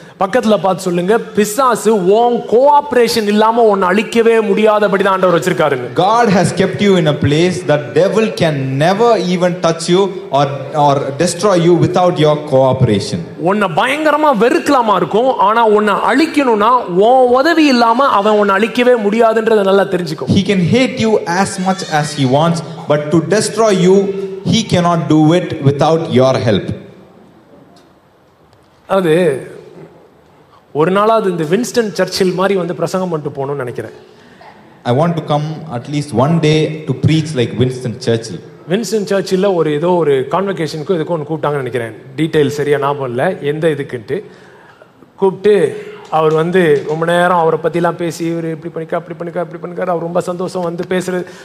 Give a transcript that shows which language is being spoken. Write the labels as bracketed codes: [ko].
[ta] பக்கத்துல பார்த்து சொல்லுங்க, பிசாசு உன் கோஆபரேஷன் இல்லாம உன்னை அழிக்கவே முடியாதபடி தான் ஆண்டவர் வச்சிருக்காரு. [en] God has kept you in a place that devil can never even touch you or destroy you without your cooperation. [ta] உன்னை பயங்கரமா வெறுக்கலாமா இருக்கும், ஆனா உன்னை அழிக்கணும்னா உன் உதவி இல்லாம அவன் உன்னை அழிக்கவே முடியாதுன்றத நல்லா தெரிஞ்சுக்கோ. [en] He can hate you as much as he wants, but to destroy you, he cannot do it without your help. [ta] அது ஒரு நாளாவது இந்த வின்ஸ்டன் சர்ச்சில் மாதிரி வந்து பிரசங்கம் பண்ணிட்டு போகணும்னு நினைக்கிறேன். [en] I want to come at least one day to preach like Winston Churchill. [ta] Winston Churchill ல ஒரு ஏதோ ஒரு கான்வெகேஷனுக்கு இதுக்கு ஒன்று கூப்பிட்டாங்கன்னு நினைக்கிறேன். டீட்டெயில் சரியா ஞாபகம் இல்லை எந்த இதுக்குன்ட்டு கூப்பிட்டு அவர் வந்து ரொம்ப நேரம் அவரை பற்றிலாம் பேசி, இவர் இப்படி பண்ணிக்கா அப்படி பண்ணிக்கா இப்படி பண்ணிக்கார், அவர் ரொம்ப சந்தோஷம் வந்து பேசுறது.